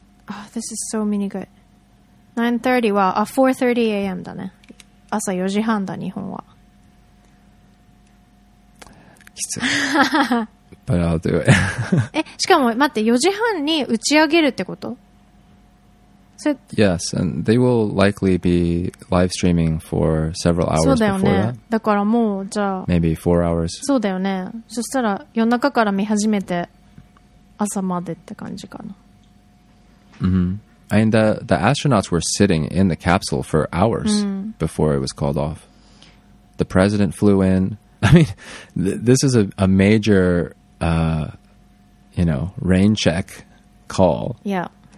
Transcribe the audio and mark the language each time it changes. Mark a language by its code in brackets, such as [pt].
[en] Oh, this is so mini good. 9:30, wow, 4:30 AM [ja] だね。朝4時半だ、日本は。きつい。 [en] But I'll do it. [ja] え、しかも待って、4時半に打ち上げるってこと？ [en] Yes, and they will likely be live streaming for several hours before that. [ja] そうだよね。だからもうじゃあ、 [en] maybe 4 hours. [ja] そうだよね。そしたら夜中から見始めて朝までって感じかな。 Mm-hmm. [en] And the astronauts were sitting in the capsule for hours before it was called off. The president flew in. I mean, this is a major... rain check call. Yeah.